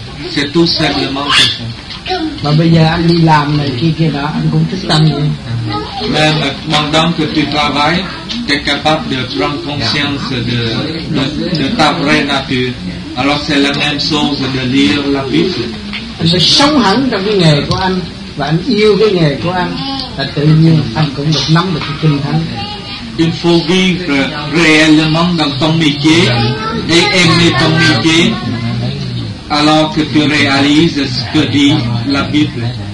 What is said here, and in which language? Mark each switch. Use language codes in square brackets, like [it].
[fr] C'est tout simplement ça. [vi] Mà bây giờ anh đi làm này kia đó, anh cũng thích tâm vậy. [fr] Mais pendant que tu travailles, tu es capable de prendre conscience de ta vraie nature. Alors c'est la même chose de lire la Bible. [vi] Anh sẽ sống hẳn trong cái nghề của anh và anh yêu cái nghề của anh, là tự nhiên anh cũng được nắm được cái Kinh Thánh. [fr] Il faut vivre réellement dans ton métier et aimer ton métier alors que tu réalises ce que dit la Bible.